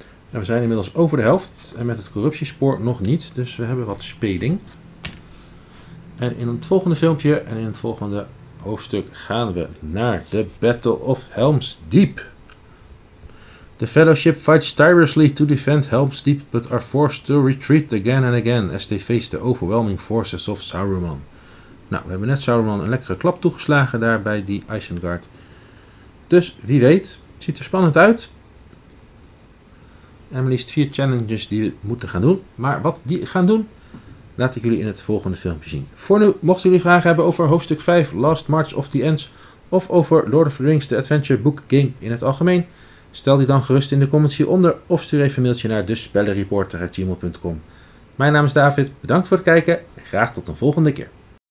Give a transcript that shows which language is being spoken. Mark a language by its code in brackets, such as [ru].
[nl] En we zijn inmiddels over de helft. En met het corruptiespoor nog niet. Dus we hebben wat speling. En in het volgende filmpje en in het volgende hoofdstuk gaan we naar de Battle of Helm's Deep. [en] The Fellowship fights tirelessly to defend Helm's Deep, but are forced to retreat again and again as they face the overwhelming forces of Saruman. [nl] Nou, we hebben net Saruman een lekkere klap toegeslagen daar bij die Isengard. Dus, wie weet, ziet er spannend uit. En maar liefst 4 challenges die we moeten gaan doen. Maar wat die gaan doen, laat ik jullie in het volgende filmpje zien. Voor nu, mochten jullie vragen hebben over hoofdstuk 5, Last March of the Ents, of over Lord of the Rings, The Adventure Book Game in het algemeen, stel die dan gerust in de comments hieronder of stuur even een mailtje naar despellenreporter@gmail.com. Mijn naam is David, bedankt voor het kijken en graag tot een volgende keer.